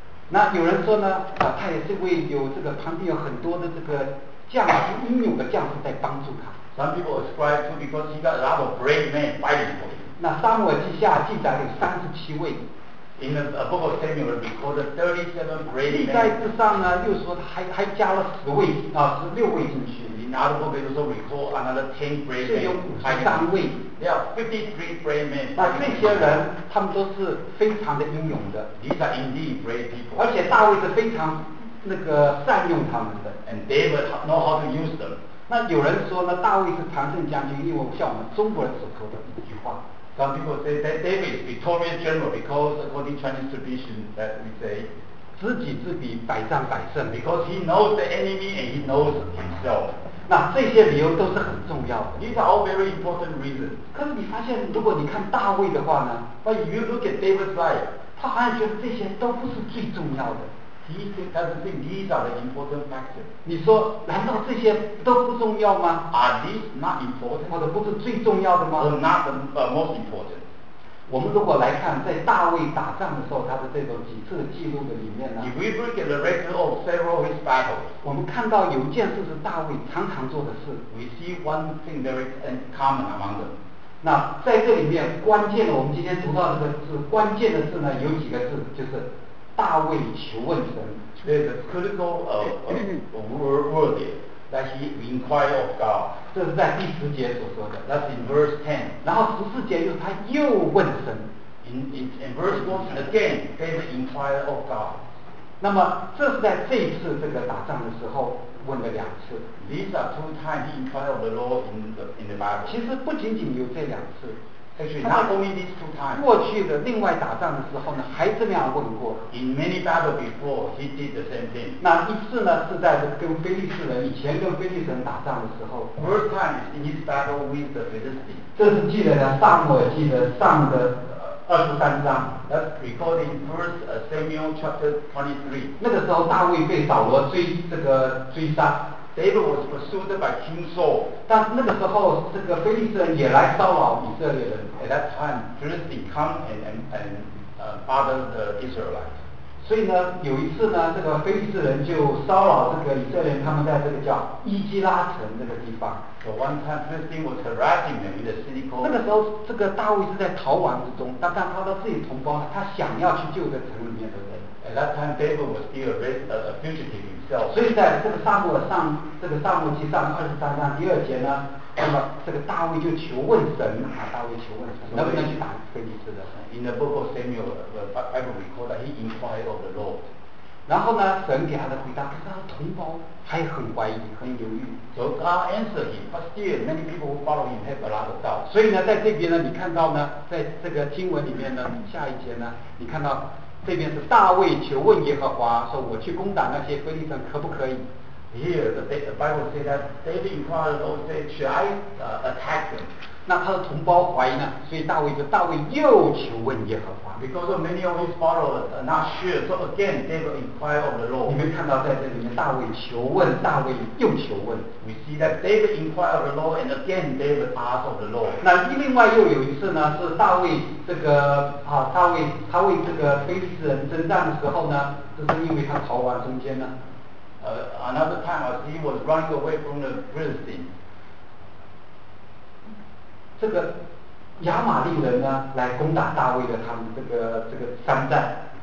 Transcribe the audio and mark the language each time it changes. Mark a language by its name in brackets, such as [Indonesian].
[Chinese] 那有人说呢，他也是为有这个旁边有很多的这个将士，英勇的将士在帮助他。 [English] Some people ascribe to because he got a lot of brave men fighting for him. [Chinese] 那撒母耳记下记载有37位。 [English] In the book of Samuel, it records 37 brave men. [Chinese] 历代之上呢，又说还加了16位进去。 [English] In other book, it also records another 10 brave men. [Chinese] 是有53位。 [English] There are 53 brave men. [Chinese] 那这些人，他们都是非常的英勇的。 [English] These are indeed brave people. [Chinese] 而且大卫是非常那个善用他们的。 [English] And David know how to use them. [Chinese] 那有人说呢，大卫是常胜将军，因为像我们中国人所说的一句话。 [English] Some people say that David is victorious general because according to Chinese tradition that we say [Chinese] 知己知彼百战百胜 [English] because he knows the enemy and he knows himself. [Chinese] 那这些理由都是很重要的。 [English] These are all very important reasons. [Chinese] 可是你发现如果你看大卫的话呢 [English] But if you look at David's life, [Chinese] 他好像觉得这些都不是最重要的。 [English] He doesn't think these are the important factors. [Chinese] 你说难道这些都不重要吗？ [English] Are these not important? [Chinese] 或者不是最重要的吗？ [English] Or not the most important. [Chinese] 我们如果来看在大卫打仗的时候他的这种几次记录的里面呢， [English] If we look at the record of several of his battles, [Chinese] 我们看到有件事是大卫常常做的事。 [English] We see one thing very common among them. [Chinese] 那在这里面关键的我们今天读到的是关键的事呢，有几个字，就是大卫求问神。 [English] There's a critical word that he inquired of God. [Chinese] 这是在第10节所说的。 [English] That's in verse 10. [Chinese] 然后14节就是他又问神。 [English] In verse 14 again, David inquired of God. [Chinese] 那么这是在这一次这个打仗的时候问了两次。 [English] These are two times he inquired of the Lord in the Bible. [Chinese] 其实不仅仅有这两次。 [English] Actually, not only these two times. [Chinese] 过去的另外打仗的时候呢，还这样问过。 [English] In many battles before, he did the same thing. [Chinese] 那一次呢，是在跟非利士人以前跟非利士人打仗的时候。 [English] First time in his battle with the Philistines. [Chinese] 这是记得的，撒母耳记的上的23章。 [English] That's recorded in First Samuel chapter 23. [Chinese] 那个时候大卫被扫罗追杀。 [English] David was pursued by King Saul. [Chinese] 但那个时候，这个非利士人也来骚扰以色列人。 [English] At that time, Philistine come and bother the Israelites. [Chinese] 所以呢，有一次呢，这个非利士人就骚扰这个以色列人，他们在这个叫伊基拉城这个地方。 [English] So one time Philistine was harassing them in the city called. [Chinese] 那个时候，这个大卫是在逃亡之中，但他的自己同胞，他想要去救这城里面的人。 [English] At that time, David was still a fugitive himself. [Chinese] 所以在这个撒母耳上，这个撒母记上二十三章第二节呢。那么这个大卫就求问神啊，大卫求问神能不能去打非利士人。 [English] In the book of Samuel, the Bible records that he inquired of the Lord. [Chinese] 然后呢，神给他的回答，可是他同胞还很怀疑，很犹豫。 [English] So God answered him, but still many people who follow him have a lot of doubt. [Chinese] 所以呢，在这边呢，你看到呢，在这个经文里面呢，下一节呢，你看到这边是大卫求问耶和华，说我去攻打那些非利士人可不可以？ [English] Here the Bible says that David inquired of the Lord, "Should I attack them?" [Chinese] 那他的同胞怀疑呢，所以大卫就大卫又求问耶和华。 [English] Because of many of his followers are not sure, so again David inquired of the Lord. [Chinese] 你们看到在这里面，大卫求问，大卫又求问。 [English] We see that David inquired of the Lord, and again David asked of the Lord. [Chinese] 那另外又有一次呢，是大卫这个啊，大卫他为这个非利士人征战的时候呢，这是因为他逃亡中间呢。 [English] Another time, as he was running away from the Philistines, [Chinese] 这个亚玛力人呢来攻打大卫的他们这个山寨。